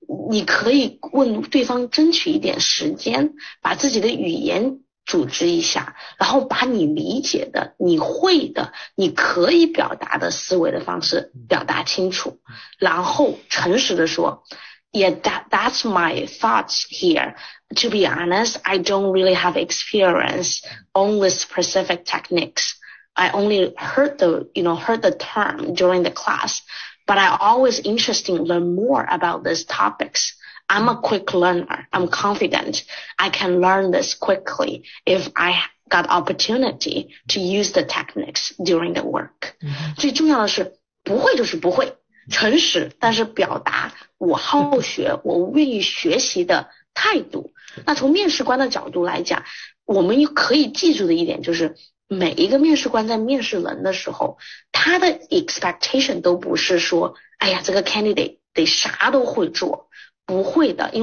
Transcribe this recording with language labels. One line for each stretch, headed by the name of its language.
Chinese: 你可以问对方争取一点时间，把自己的语言组织一下，然后把你理解的、你会的、你可以表达的思维的方式表达清楚，然后诚实的说。
English: Yeah, that's my thoughts here. To be honest, I don't really have experience on the specific techniques. I only heard the term during the class, but I always interesting learn more about these topics. I'm a quick learner. I'm confident I can learn this quickly if I got opportunity to use the techniques during the work.
Chinese: 最重要的是，不会就是不会。诚实，但是表达我好学，我愿意学习的态度。那从面试官的角度来讲，我们可以记住的一点就是，每一个面试官在面试人的时候，他的 expectation 都不是说，哎呀，这个 candidate 得啥都会做，不会的。